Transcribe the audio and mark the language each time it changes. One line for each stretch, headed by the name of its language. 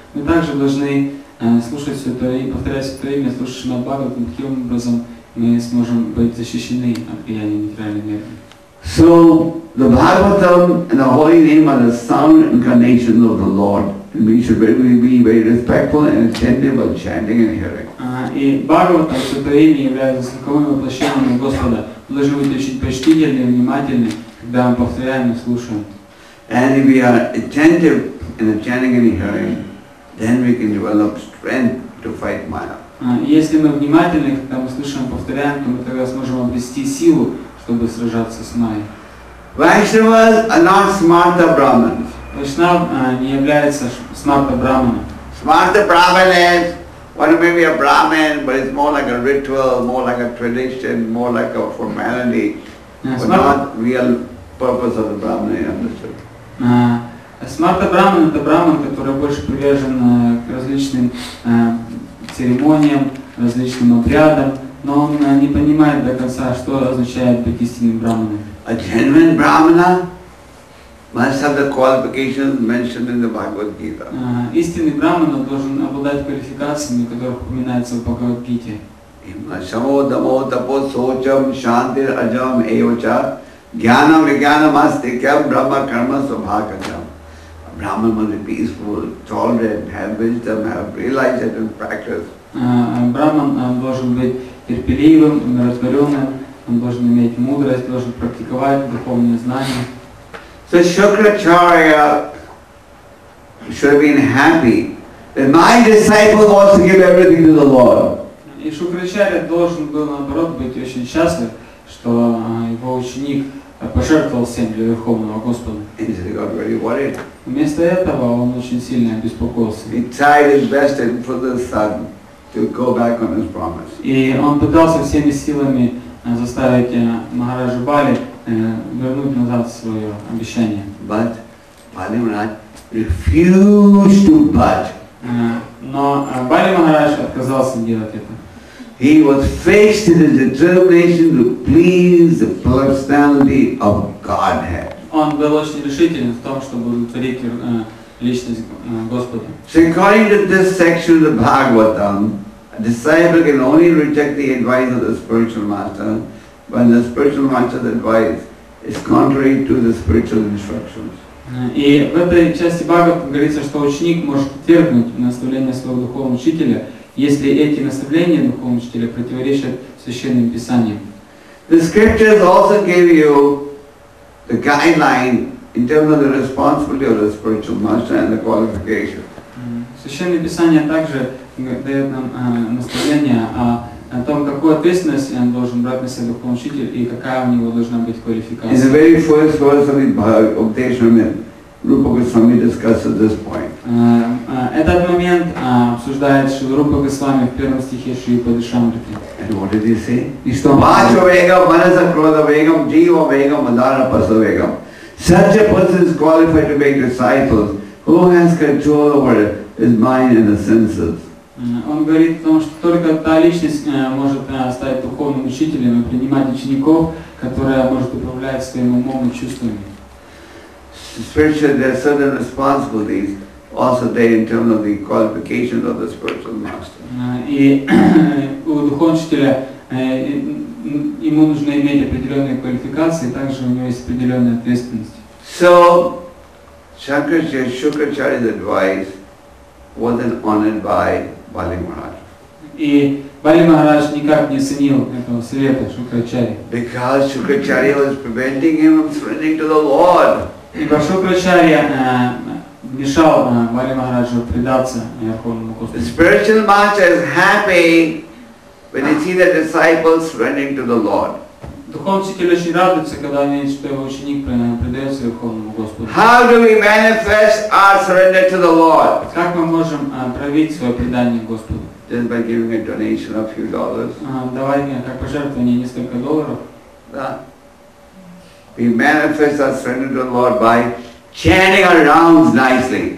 Russian: Мы также должны слушать святое имя, повторять святое имя, слушать Шримад Бхагаватам. Таким образом мы сможем быть защищены от влияния нейтральной энергии.
English: So the Bhagavatam and the holy name are the sound incarnations of the Lord, and we should really be very respectful and attentive while chanting and hearing.
Russian: И Бхагаватам, святое имя, является звуковым воплощением Господа. Мы должны быть очень почтительны и внимательны, когда мы повторяем и слушаем.
English: And if we are attentive in the chanting and hearing, then we can develop strength to fight Maya.
Russian: Если мы внимательны, когда мы слышим, повторяем, то мы тогда сможем обрести силу, чтобы сражаться с Майей.
English: Vaishnavas are not smarta brahmanas.
Russian: Vaishnav не является smarta brahmanas.
English: Smarta brahmanas, one may be a brahman, but it's more like a ritual, more like a tradition, more like a formality, but not real purpose of the brahman, you understood?
Russian: Smarta brahman — это брахман, который больше привязан к различным церемониям, различным обрядам, но он не понимает до конца, что означает быть истинным брахманом.
English: A genuine brahmana must have the qualifications mentioned in the Bhagavad Gita.
Russian: Истинный брахмана должен обладать квалификациями, которые упоминаются в Бхагавад Гите.
Sanskrit: Ashamo damo tapo socham shantir ajam evacha gyanam vigyanam asti kyam brahma karma subhakacham.
English: A brahman must be peaceful, tolerant, have wisdom, have realized it in practice.
Russian: Брахман должен быть терпеливым, умиротворенным. Он должен иметь мудрость, должен практиковать духовные знания.
English: So Shukracharya should have been happy that my disciple wants to give everything to the Lord.
Russian: И Шукрачарья должен был, наоборот, быть очень счастлив, что его ученик пожертвовал всем для Верховного Господа.
English: Instead, he got very worried.
Russian: Вместо этого он очень сильно обеспокоился.
English: He tried his best for the son to go back on his promise.
Russian: И он пытался всеми силами заставить Махараджу Бали вернуть назад свое обещание.
English: But Бали Махарадж refused to budge.
Russian: Но Бали Махарадж отказался делать это.
English: He was faced in his determination to please the personality of Godhead.
Russian: Он был очень решительным в том, чтобы удовлетворить личность Господа.
English: So according to this section of the Bhagavatam, a disciple can only reject the advice of the spiritual master when the spiritual master's advice is contrary to the spiritual instructions.
Russian: И в этой части Бхагавата говорится, что ученик может отвергнуть наставления своего духовного учителя, если эти наставления духовного учителя противоречат священным писаниям.
English: The scriptures also give you the guideline in terms of the responsibility of the spiritual master and the qualification.
Russian: Священные писания также дает нам наставление о том, какую ответственность он должен брать на себя духовный учитель и какая у него должна быть квалификация.
English: In the very first verse of Bhagavad-gita, Rupa Goswami discusses this point.
Russian: Этот момент обсуждает Шрила Рупа Госвами в первом стихе Шрила Падишамрити.
English: And what did he say?
Russian: И что?
Sanskrit: Пача вегам, манаса крода вегам, джива вегам, мадара паса вегам.
English: Such a person is qualified to make disciples who has control over his mind and the senses.
Russian: Он говорит о том, что только та личность может стать духовным учителем и принимать учеников, которая может управлять своим умом и чувствами.
English: Spiritually, there are certain responsibilities also there in terms of the qualifications of the spiritual master.
Russian: И у духовного учителя ему нужно иметь определенные квалификации, также у него есть определенная ответственность.
English: So, Shukracharya's advice was then honored by Бали Махарадж.
Russian: И Бали Махарадж никак не ценил этого совета Шукрачарьи.
English: Because Шукрачарья was preventing him from surrendering to the Lord.
Russian: Ибо Шукрачарья мешал Бали Махараджу предаться Верховному Господу.
English: The spiritual master is happy when he sees the disciples surrendering to the Lord.
Russian: Духовный учитель очень радуется, когда видит, что его ученик предается Верховному Господу.
English: How do we manifest our surrender to the Lord?
Russian: Как мы можем проявить свое предание Господу?
English: Just by giving a donation of few dollars.
Russian: Давай как пожертвование несколько долларов. Да.
English: We manifest our surrender to the Lord by chanting our rounds nicely.